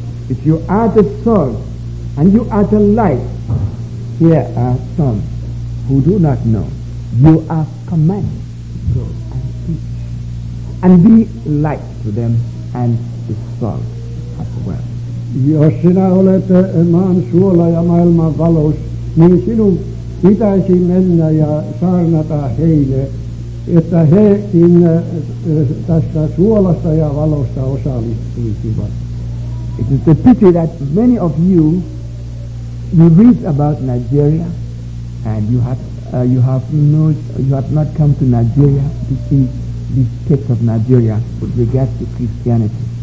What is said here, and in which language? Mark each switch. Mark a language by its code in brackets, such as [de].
[en] If you are the salt and you are the light, here are some who do not know. You are commanded to go and teach and be light to them and the salt as well. [fi] Jos sinä olet maan suola ja maailman valous, niin sinun pitäisi mennä ja saarnata heille, että hekin tästä suolasta ja valosta osallistuisivat. [en] It is a pity that many of you read about Nigeria and you have not come to Nigeria to see the state of Nigeria with regard to Christianity.